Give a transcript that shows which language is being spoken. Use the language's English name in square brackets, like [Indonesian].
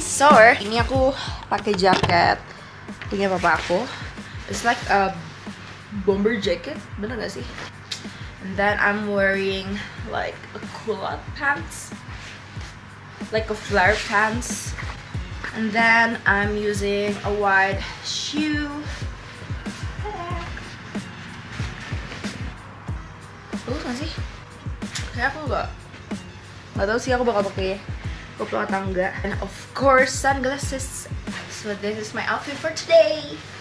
[Indonesian] So, ini aku pakai jaket punya papa aku. [English] It's like a bomber jacket, [Indonesian] benar enggak sih? [English] And then I'm wearing like a culotte pants. Like a flare pants. And then I'm using a wide shoe. [Indonesian] Bagus gak sih? Kayak aku gak tau sih aku bakal pakai koplo atau enggak. [English] And of course sunglasses. So this is my outfit for today.